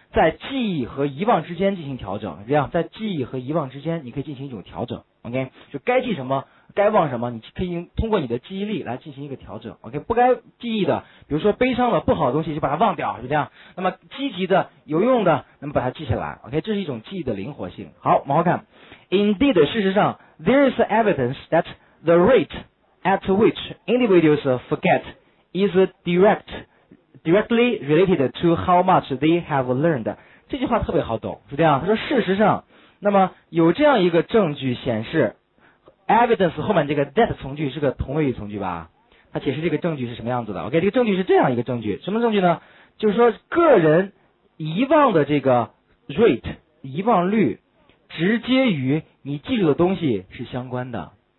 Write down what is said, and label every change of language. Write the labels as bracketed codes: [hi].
[zh] 在记忆和遗忘之间进行调整，这样在记忆和遗忘之间你可以进行一种调整。 OK， 就该记什么该忘什么，你可以通过你的记忆力来进行一个调整。 OK， 不该记忆的比如说悲伤的不好的东西就把它忘掉，是这样。那么积极的有用的那么把它记下来。OK， 这是一种记忆的灵活性。好，往后看。 [en] Indeed， [zh] 事实上 [en] There is evidence that the rate at which individuals forgetis directly related to how much they have learned。 [zh] 这句话特别好懂，是这样。他说事实上，那么有这样一个证据显示， evidence 后面这个 that 从句是个同位语从句吧，他解释这个证据是什么样子的。 OK， 这个证据是这样一个证据，什么证据呢？就是说个人遗忘的这个 rate， 遗忘率直接与你记住的东西是相关的。